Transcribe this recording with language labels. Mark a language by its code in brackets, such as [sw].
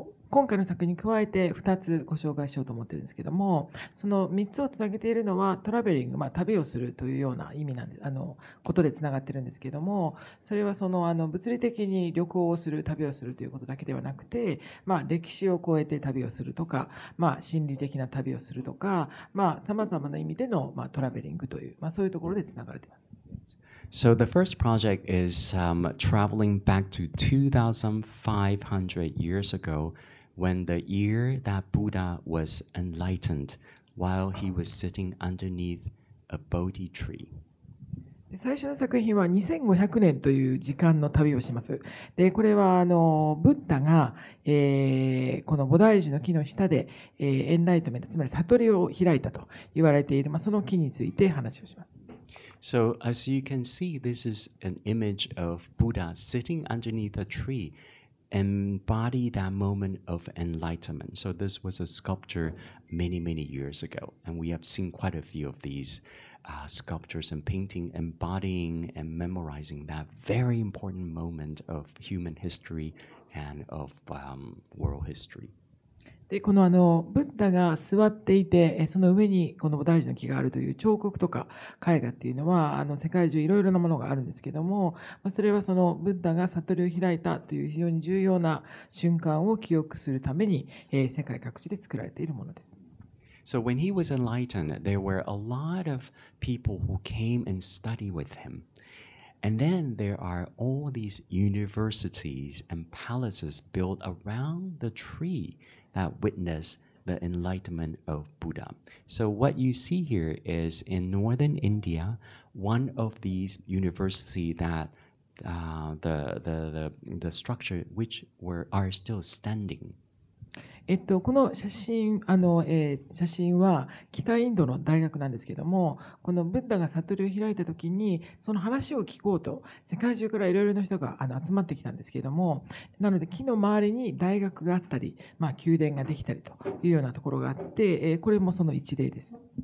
[ja] 今回の作品に加えて2つご紹介しようと思っているんですけども、その3つをつなげているのはトラベリング、まあ、旅をするというような意味なんで、ことでつながっているんですけども、それはその物理的に旅行をする、旅をするということだけではなくて、まあ、歴史を超えて旅をするとか、まあ、心理的な旅をするとか、まあ、さまざまな意味での、まあ、トラベリングという、まあ、そういうところでつながれています。 [en] So the first project is traveling back to 2,500 years ago, when the year that Buddha was enlightened while he was sitting underneath a Bodhi tree. [ja] 最初の作品は2500年という時間の旅をします。で、これはブッダが、この菩提樹の木の下で、エンライトメント、つまり悟りを開いたと言われている、まあ、その木について話をします。 [en] So as you can see, this is an image of Buddha sitting underneath a tree, embody that moment of enlightenment. So this was a sculpture many, many years ago. And we have seen quite a few of these sculptures and painting, embodying and memorizing that very important moment of human history and of world history. [ja] でこのブッダが座っていて、その上にこの菩提樹の木があるという彫刻とか絵画っていうのは世界中いろいろなものがあるんですけども、それはそのブッダが悟りを開いたという非常に重要な瞬間を記憶するために、世界各地で作られているものです。 [en] So when he was enlightened, there were a lot of people who came and studied with him. And then there are all these universities and palaces built around the tree that witness the enlightenment of Buddha. So what you see here is in northern India, one of these universities that the structure which are still standing. [ja] この写真、写真は北インドの大学なんですけども、このブッダが悟りを開いた時にその話を聞こうと世界中からいろいろな人が集まってきたんですけども、なので木の周りに大学があったり、まあ、宮殿ができたりというようなところがあって、これもその一例です。